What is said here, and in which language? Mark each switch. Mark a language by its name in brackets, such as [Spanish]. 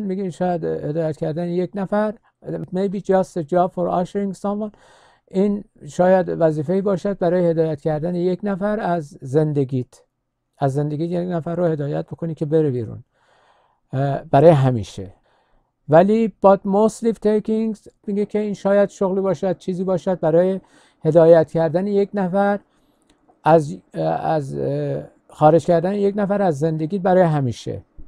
[Persian] میگه شاید هدایت کردن یک نفر. [English] It may be just a job for ushering someone. [Persian] این شاید وظیفه‌ای باشد برای هدایت کردن یک نفر از زندگیت. از زندگیت یک نفر رو هدایت بکنی که بره بیرون. برای همیشه. ولی [English] but mostly takings [Persian] میگه که این شاید شغلی باشد، چیزی باشد برای هدایت کردن یک نفر از خارج کردن یک نفر از زندگیت برای همیشه.